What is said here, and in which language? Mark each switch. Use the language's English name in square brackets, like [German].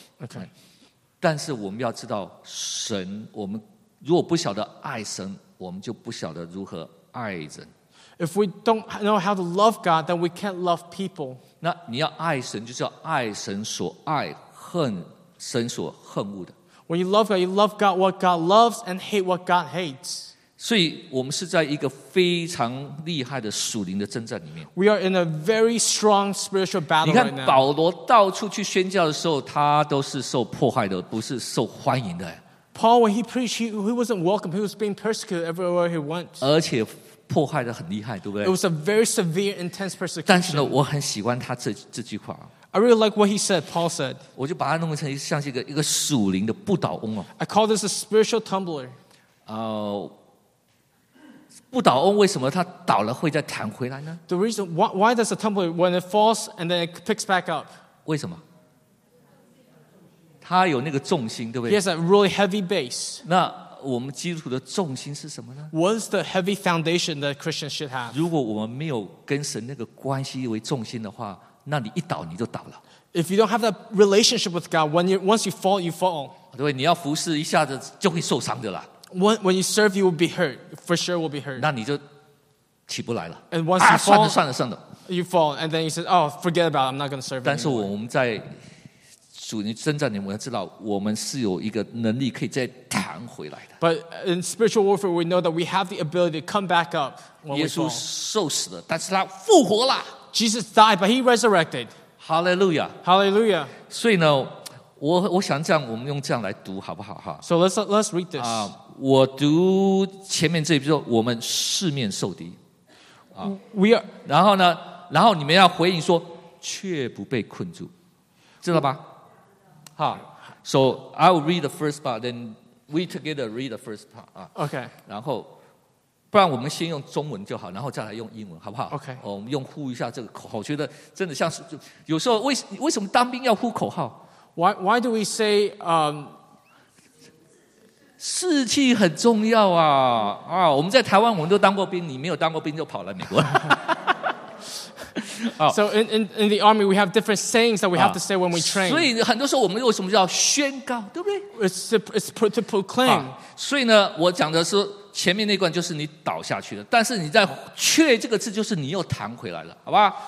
[English] Okay. [Chinese] 但是我们要知道神，我们如果不晓得爱神，我们就不晓得如何爱人。 [English] If we don't know how to love God, then we can't love people. [Chinese] 那你要爱神，就是要爱神所爱，恨神所恨恶的。 [English] When you love God, you love God what God loves and hate what God hates. [Chinese] 所以我们是在一个非常厉害的属灵的征战里面。 [English] We are in a very strong spiritual battle right now. [Chinese] 你看保罗到处去宣教的时候，他都是受迫害的，不是受欢迎的。 [English] Paul, when he preached, he wasn't welcome. He was being persecuted everywhere he went. [Chinese] 而且迫害的很厉害，对不对 [English] ？It was a very severe, intense persecution. [Chinese] 但是呢，我很喜欢他这句话。 [English] I really like what he said, Paul said. [Chinese] 我就把它弄成像是一个属灵的不倒翁哦。 [English] I call this a spiritual tumbler. [Chinese] 不倒翁为什么他倒了会再弹回来呢 [English] ？The reason why does a tumbler when it falls and then it picks back up？ [Chinese] 为什么？他有那个重心，对不对 [English] ？He has a really heavy base。 [Chinese] 那我们基督徒的重心是什么呢 [English] ？What is the heavy foundation that Christians should have？ [Chinese] 如果我们没有跟神那个关系为重心的话，那你一倒你就倒了。 [English] If you don't have that relationship with God, once you fall, you fall。 [Chinese] 对，你要服侍一下子就会受伤的啦。 [English] When you serve, you will be hurt. For sure, will be hurt. [Chinese] 那你就起不来了。 [English] And once you fall, [Chinese] 算了 [English] you fall, and then you say, "Oh, forget about it. I'm not going to serve." [Chinese] 但是我们在主你征战里，我们知道我们是有一个能力可以再弹回来的。 [English] But in spiritual warfare, we know that we have the ability to come back up. [Chinese] 耶稣受死了，但是他复活了。 [English] Jesus died, but he resurrected. Hallelujah! Hallelujah! [Chinese] 所以呢，我想这样，我们用这样来读好不好？哈。 [English] So let's read this. [Chinese] 我读前面这一句，我们四面受敌， [English] 啊 ，we are， [Chinese] 然后呢，然后你们要回应说，却不被困住，知道吧？ [English] So I will read the first part, then we together read the first part. Okay. [Chinese] 然后不然我们先用中文就好，然后再来用英文，好不好 [English] ？OK，、 [Chinese] 我们用呼一下这个口号，我觉得真的像是有时候为什么当兵要呼口号 [English] ？Why do we say [Chinese] 士气很重要啊？啊，我们在台湾我们都当过兵，你没有当过兵就跑来美国。 [English] So in the army we have different sayings that we have to say when we train. [Chinese] 所以很多时候我们为什么叫宣告，对不对 [English] ？It's to proclaim. [Chinese] 所以呢，我讲的是。前面那关就是你倒下去的，但是你在确这个字就是你又弹回来了，好吧？